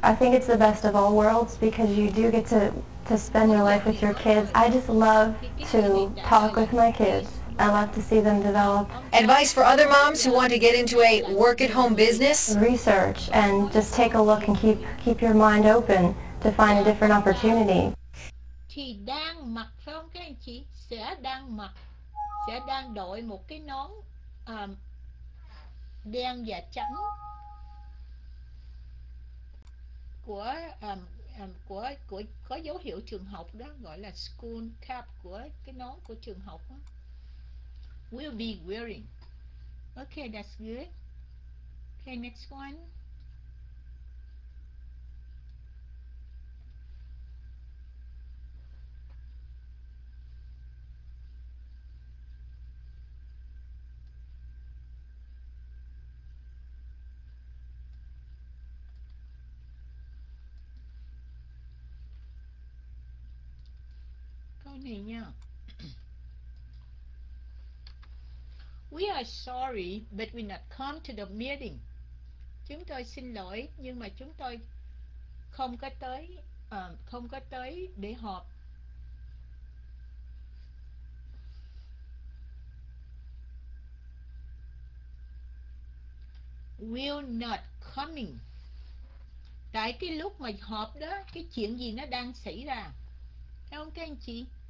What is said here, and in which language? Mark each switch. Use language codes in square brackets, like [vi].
[en] I think it's the best of all worlds because you do get to spend your life with your kids. I just love to talk with my kids I love to see them develop. Advice for other moms who want to get into a work-at-home business? Research and just take a look and keep your mind open to find a different opportunity. [vi] Thì đang mặc phải không các anh chị? Sẽ đang mặc, sẽ đang đội một cái nón đen và trắng của có dấu hiệu trường học đó, gọi là school cap, của cái nón của trường học đó. [en] Will be wearing. Okay, that's good. Okay, next one. We are sorry, but we not come to the meeting. [vi] Chúng tôi xin lỗi nhưng mà chúng tôi không có tới để họp. [en] Will not coming. [vi] Tại cái lúc mà họp đó, cái chuyện gì nó đang xảy ra. Thấy không các anh chị?